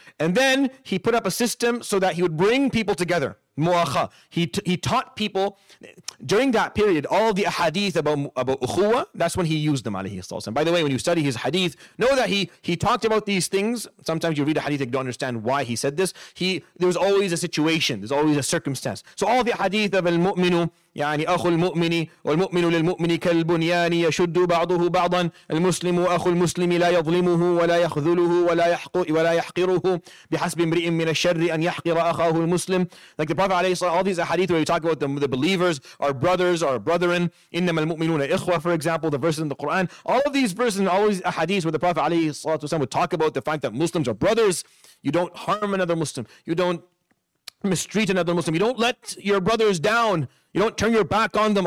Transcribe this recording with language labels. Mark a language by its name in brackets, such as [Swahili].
[English] And then he put up a system so that he would bring people together. Mu'akha. He taught people during that period all the ahadith about ukhuwa. That's when he used them, alayhi salatu wasalam. By the way, when you study his hadith, know that he talked about these things. Sometimes you read a hadith and don't understand why he said this. There's always a situation, there's always a circumstance. So all the hadith of al-mu'minu, [Arabic] يعني أخو المؤمن والمؤمن للمؤمن كالبنيان يشد بعضه بعضا المسلم أخو المسلم لا يظلمه ولا يخذله ولا يحقره بحسب امرئ من الشر أن يحقر أخاه المسلم. [English] Like the Prophet عليه الصلاة, all these hadith where we talk about the believers, our brothers, our brethren, [Arabic] إنما المؤمنون إخوة, [English] for example, the verses in the Quran, all of these verses and all these hadith where the Prophet عليه الصلاة والسلام would talk about the fact that Muslims are brothers. You don't harm another Muslim, you don't mistreat another Muslim, you don't let your brothers down, you don't turn your back on them.